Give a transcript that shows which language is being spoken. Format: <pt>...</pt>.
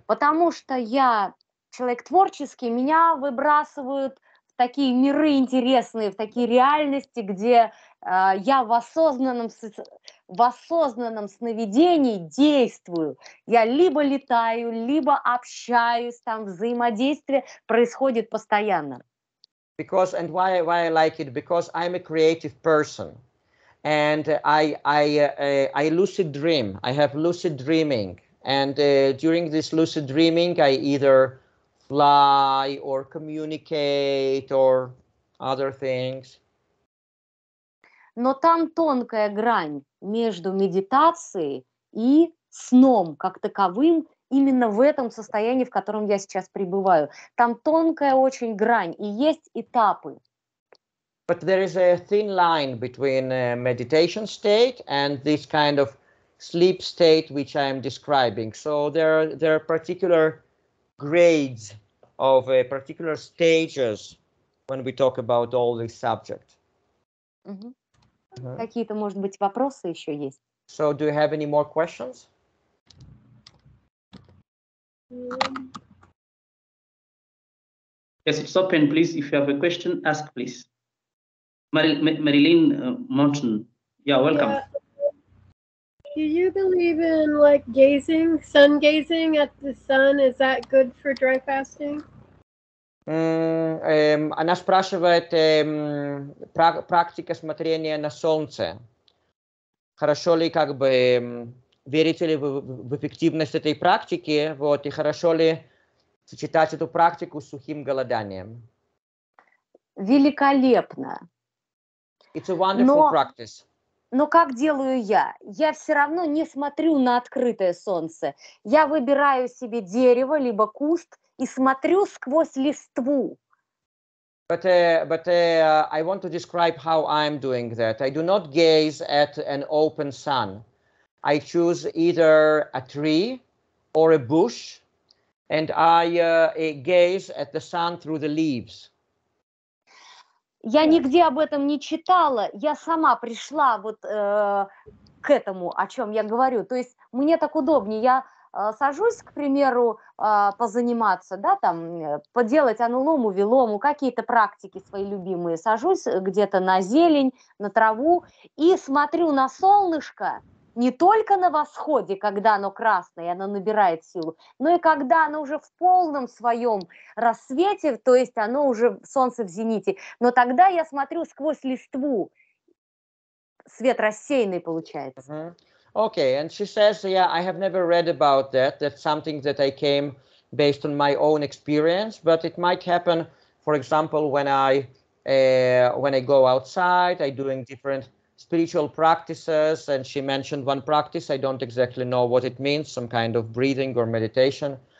<ru>Потому что я человек творческий, меня выбрасывают в такие миры интересные, в такие реальности, где я в осознанном сновидении действую. Я либо летаю, либо общаюсь, там взаимодействие происходит постоянно.</ru> <en>Because and why I like it? Because I'm a creative person, and I lucid dream. I have lucid dreaming, and during this lucid dreaming, I either fly or communicate or other things.</en> <ru>Но там тонкая грань между медитацией и сном как таковым. Именно в этом состоянии, в котором я сейчас пребываю. Там тонкая очень грань, и есть этапы.</ru> <en>But there is a thin line between a meditation state and this kind of sleep state, which I am describing. So there are particular grades of a particular stages when we talk about all this subject. Mm-hmm.</en> <ru>Какие-то, может быть, вопросы еще есть?</ru> <en>So do you have any more questions? Yes, it's open, please. If you have a question, ask, please. Marilyn Mountain, yeah, welcome. Do you believe in, like, gazing, sun gazing at the sun? Is that good for dry fasting?</en> <ru>Она спрашивает, практика смотрения на солнце. Хорошо ли, как бы... Верите ли вы в эффективность этой практики, вот, и хорошо ли сочетать эту практику с сухим голоданием? Великолепно.</ru> <en>It's a wonderful practice.</en> <ru>Но как делаю я? Я все равно не смотрю на открытое солнце. Я выбираю себе дерево, либо куст, и смотрю сквозь листву.</ru> <en>But I want to describe how I'm doing that. I do not gaze at an open sun. I choose either a tree or a bush, and I gaze at the sun through the leaves.</en> <ru>Я нигде об этом не читала. Я сама пришла вот к этому, о чем я говорю. То есть мне так удобнее. Я сажусь, к примеру, позаниматься, да, там, поделать анулому, велому, какие-то практики свои любимые. Сажусь где-то на зелень, на траву и смотрю на солнышко. Не только на восходе, когда оно красное, оно набирает силу, но и когда оно уже в полном своем рассвете, то есть оно уже солнце в зените. Но тогда я смотрю сквозь листву, свет рассеянный получается. Mm-hmm.</ru> <en>Okay, and she says, yeah, I have never read about that. That's something that I came based on my own experience, but it might happen, for example, when I go outside, I'm doing different spiritual practices, and she mentioned one practice. I don't exactly know what it means, some kind of breathing or meditation.</en>